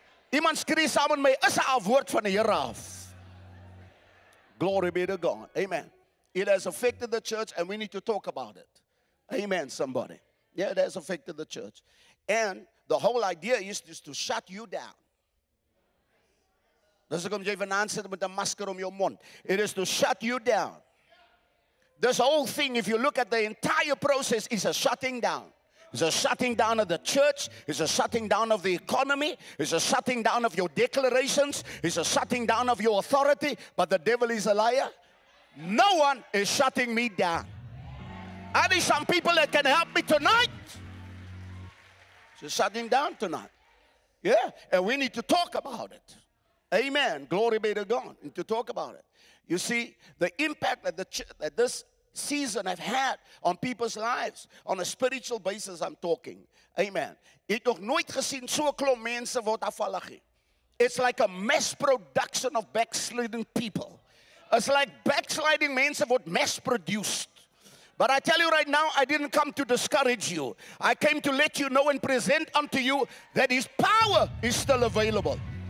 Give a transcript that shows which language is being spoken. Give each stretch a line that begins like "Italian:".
Afrikaans: Iemand skree saam met my, is daar 'n woord van die Here af?
English: Glory be to God. Amen. It has affected the church, and we need to talk about it. Amen, somebody. Yeah, it has affected the church. And the whole idea is just to shut you down.
Afrikaans: Dis hoekom jy vanaand sit met 'n masker om jou mond.
English: It is to shut you down. This whole thing, if you look at the entire process, is a shutting down. It's a shutting down of the church. It's a shutting down of the economy. It's a shutting down of your declarations. It's a shutting down of your authority. But the devil is a liar. No one is shutting me down. I need some people that can help me tonight. It's a shutting down tonight. Yeah, and we need to talk about it. Amen. Glory be to God. And to talk about it. You see, the impact that this season have had on people's lives, on a spiritual basis I'm talking. Amen.
Afrikaans: Ek nog nooit gesien so 'n klomp mense word afvallig.
English: It's like a mass production of backsliding people. It's like backsliding
Afrikaans: mense
English: word mass produced. But I tell you right now, I didn't come to discourage you. I came to let you know and present unto you that His power is still available.